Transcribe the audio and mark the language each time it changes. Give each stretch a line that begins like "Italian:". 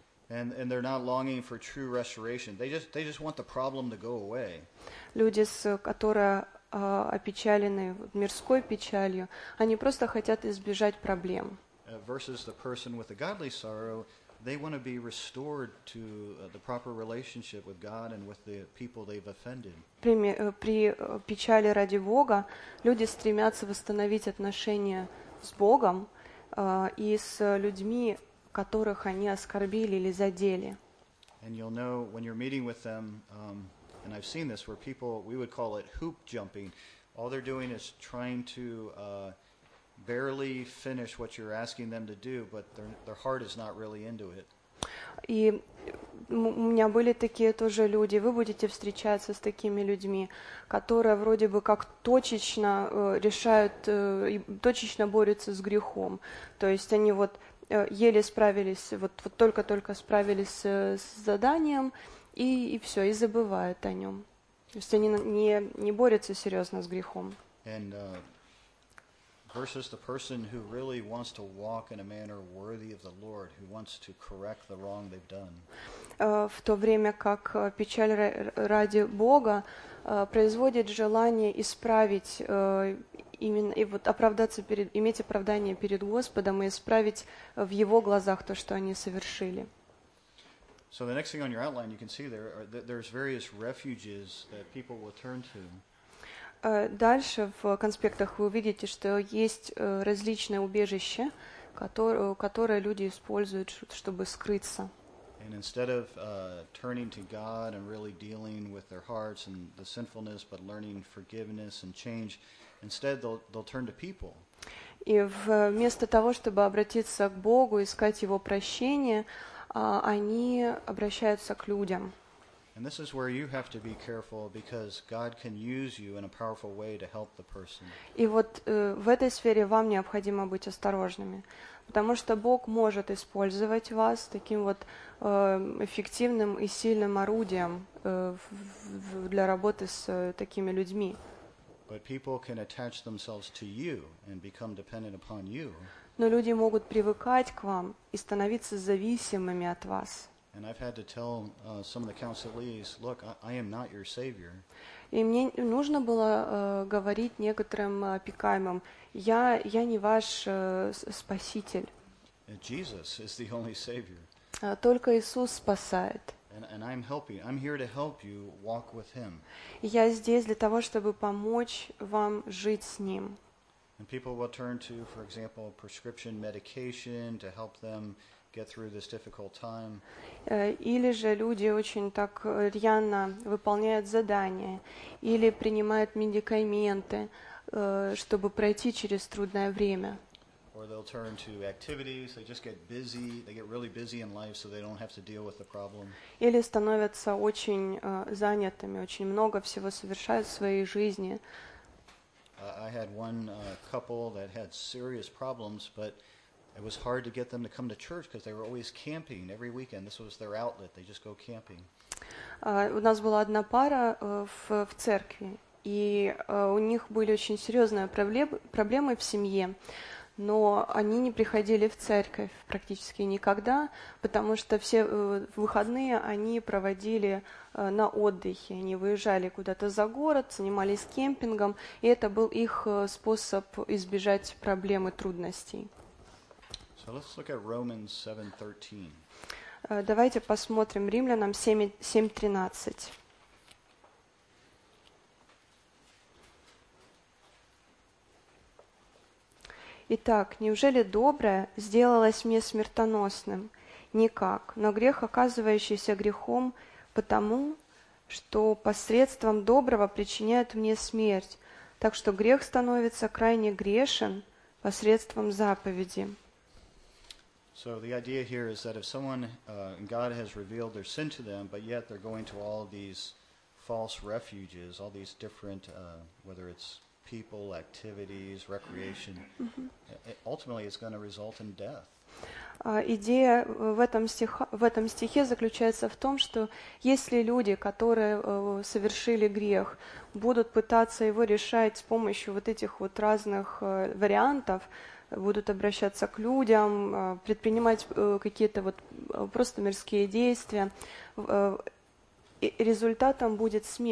English: And they're not longing for true restoration. They just want the problem to go away.
Russian: Люди, которые опечалены мирской печалью, они просто хотят избежать проблем.
English: Versus the person with the godly sorrow, they want to be restored to the proper relationship with God and with the people they've offended.
Russian: При печали ради Бога люди стремятся восстановить отношения с Богом и с людьми, которых они оскорбили или задели.
English: And you'll know when you're meeting with them, and I've seen this where people, we would call it hoop jumping. All they're doing is trying to barely finish what you're asking them to do, but their heart is not really into it.
Russian: И у меня были такие тоже люди. Вы будете встречаться с такими людьми, которые вроде бы как точечно решают, точечно борются с грехом. То есть они вот еле справились, вот только-только справились с заданием, и все, и забывают о нем. То есть они не борются серьезно с грехом.
English: And, versus the person who really wants to walk in a manner worthy of the Lord, who wants to correct the wrong they've done.
Russian: В то время как печаль ради Бога производит желание исправить именно и вот оправдаться перед, иметь оправдание перед Господом и исправить в Его глазах то, что они совершили.
English: So the next thing on your outline, you can see there are, there's various refuges that people will turn to.
Russian: Дальше в конспектах вы увидите, что есть различные убежища, которые люди используют, чтобы скрыться.
English: And instead of turning to God and really dealing with their hearts and the sinfulness, but learning forgiveness and change, instead they'll turn to people.
Russian: И вместо того, чтобы обратиться к Богу, искать Его прощение, они обращаются к людям.
English: And this is where you have to be careful, because God can use you in a powerful way to help the person.
Russian: И вот в этой сфере вам необходимо быть осторожными, потому что Бог может использовать вас таким вот эффективным и сильным орудием для работы с такими людьми.
English: But people can attach themselves to you and become dependent upon you.
Russian: Но люди могут привыкать к вам и становиться зависимыми от вас.
English: And I've had to tell some of the counselees, look, I am not your savior.
Russian: И мне нужно было говорить некоторым опекаемым, я не ваш спаситель.
English: Jesus is the only savior.
Russian: Только Иисус спасает.
English: And I'm helping. I'm here to help you walk with him.
Russian: Я здесь для того, чтобы помочь вам жить с ним.
English: And people will turn to, for example, prescription medication to help them get through this difficult time.
Russian: Или же люди очень так рьяно выполняют задания или принимают медикаменты, чтобы пройти через трудное время.
English: Or they'll turn to activities, they just get busy, they get really busy in life, so they don't have to deal with the problem.
Russian: Или становятся очень занятыми, очень много всего совершают в своей жизни.
English: I had one couple that had serious problems, but it was hard to get them to come to church because they were always camping every weekend. This was their outlet. They just go camping.
Russian: У нас была одна пара в церкви, и у них были очень серьезные проблемы в семье, но они не приходили в церковь практически никогда, потому что все выходные они проводили на отдыхе. Они выезжали куда-то за город, занимались кемпингом, и это был их способ избежать проблем и трудностей.
English: So let's look at Romans 7:13.
Russian: Давайте посмотрим Римлянам 7:13. Итак, неужели доброе сделалось мне смертоносным? Никак. Но грех, оказывающийся грехом, потому что посредством доброго причиняет мне смерть. Так что грех становится крайне грешен посредством заповеди.
English: So the idea here is that if someone God has revealed their sin to them, but yet they're going to all these false refuges, all these different whether it's people, activities, recreation, ultimately it's going to result in death.
Russian: Идея в этом стихе заключается в том, что если люди, которые совершили грех, будут пытаться его решать с помощью вот этих вот разных вариантов, будут обращаться к людям, предпринимать какие-то вот просто мирские действия, результатом будет